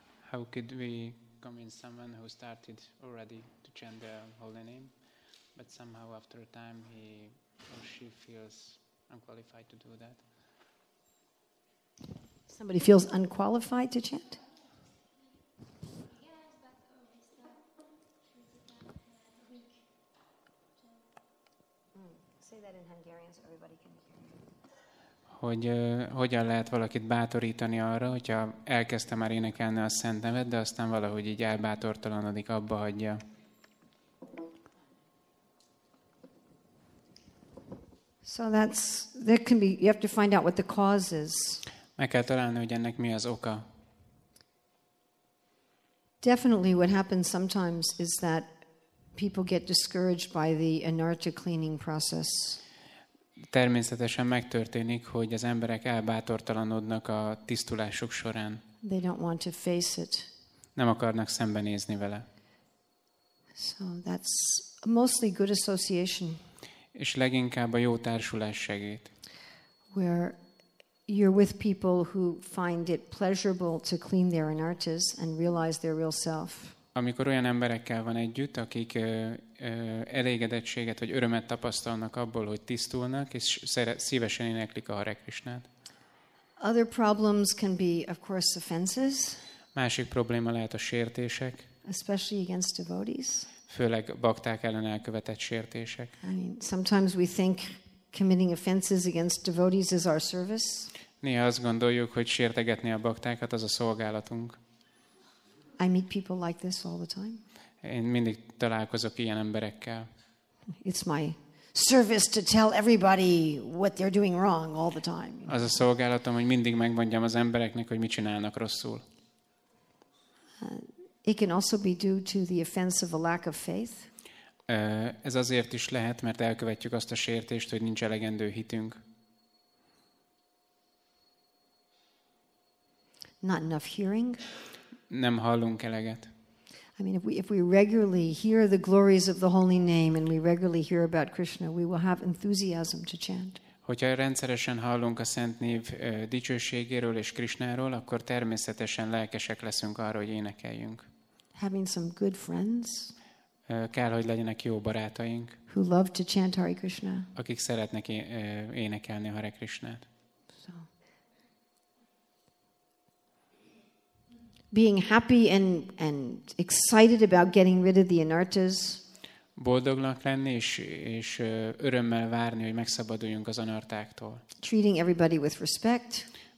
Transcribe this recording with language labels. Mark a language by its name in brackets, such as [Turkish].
[English] How could we convince someone who started already to chant the holy name, but somehow after a time he or she feels unqualified to do that? Somebody feels unqualified to chant? Yes, but it's not weak. that in Hungarian so everybody can hear. [Hungarian] Hogy hogyan lehet valakit bátorítani arra, hogyha elkezdte már énekelni a Szent Nevet, de aztán valahogy így elbátortalanodik, abba hagyja. [English] So that's, there can be, you have to find out what the cause is. [Hungarian] Meg kell találni, hogy ennek mi az oka. [English] Definitely what happens sometimes is that people get discouraged by the anarta cleaning process. [Hungarian] Természetesen megtörténik, hogy az emberek elbátortalanodnak a tisztulások során. [English] They don't want to face it. [Hungarian] Nem akarnak szembenézni vele. [English] So that's mostly good association. [Hungarian] És leginkább a jó társulás segít. [English] Where you're with people who find it pleasurable to clean their anartas and realize their real self. [Hungarian] Amikor olyan emberekkel van együtt, akik elégedettséget vagy örömet tapasztalnak abból, hogy tisztulnak, és szívesen éneklik a Hare Krishnát. [English] Other problems can be, of course, offenses. [Hungarian] Másik probléma lehet a sértések. [English] Especially against devotees. [Hungarian] Főleg bakták ellen elkövetett sértések. [English] I mean, sometimes we think committing offenses against devotees is our service. [Hungarian] Néha azt gondoljuk, hogy sértegetni a baktákat az a szolgálatunk. [English] I meet people like this all the time. [Hungarian] Én mindig találkozok ilyen emberekkel. [English] It's my service to tell everybody what they're doing wrong all the time. [Hungarian] Az a szolgálatom, hogy mindig megmondjam az embereknek, hogy mit csinálnak rosszul. [English] It can also be due to the offense of a lack of faith. [Hungarian] Ez azért is lehet, mert elkövetjük azt a sértést, hogy nincs elegendő hitünk. [English] Not enough hearing. [Hungarian] Nem hallunk eleget. [English] I mean, if we regularly hear the glories of the holy name and we regularly hear about Krishna, we will have enthusiasm to chant. [Hungarian] Hogyha rendszeresen hallunk a szent név dicsőségéről és Krishnáról, akkor természetesen lelkesek leszünk arra, hogy énekeljünk. [English] Having some good friends. [Hungarian] Kell, hogy legyenek jó barátaink. [English] Who love to chant Hare Krishna. [Hungarian] Akik szeretnek énekelni a Hare Krishnát. [English] Being happy and excited about getting rid of the anartas. [Hungarian] Boldognak lenni és örömmel várni, hogy megszabaduljunk az anartáktól. [English] Treating everybody with respect.